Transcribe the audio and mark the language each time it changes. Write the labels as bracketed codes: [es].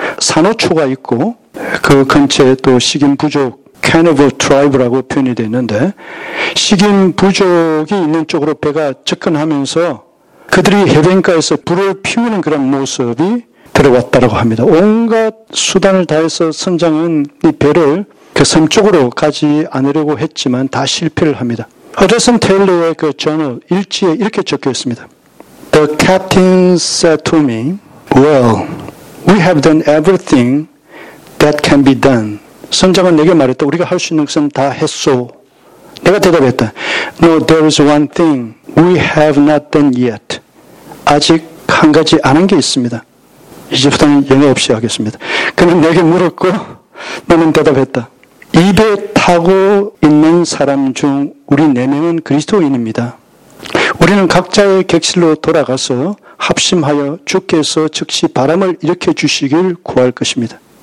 [ko] 산호초가 있고 그 근처에 또 식인 부족 [en] Cannibal Tribe [ko] 라고 표현이 되어 있는데, 식인 부족이 있는 쪽으로 배가 접근하면서 그들이 해변가에서 불을 피우는 그런 모습이 들어왔다고 합니다. 온갖 수단을 다해서 선장은 이 배를 그 섬 쪽으로 가지 않으려고 했지만 다 실패를 합니다. 허드슨 테일러의 그 저널 일지에 이렇게 적혀 있습니다. [en] The captain said to me, Well, we have done everything that can be done. [ko] 선장은 내게 말했다. 우리가 할 수 있는 것은 다 했소. 내가 대답했다. [en] No, there is one thing we have not done yet. [ko] 아직 한 가지 아는 게 있습니다. 이제부터는 영어 없이 하겠습니다. 그는 내게 물었고 나는 대답했다. 입에 타고 있는 사람 중 우리 네 명은 그리스도인입니다. 우리는 각자의 객실로 돌아가서 합심하여 주께서 즉시 바람을 일으켜 주시길 구할 것입니다.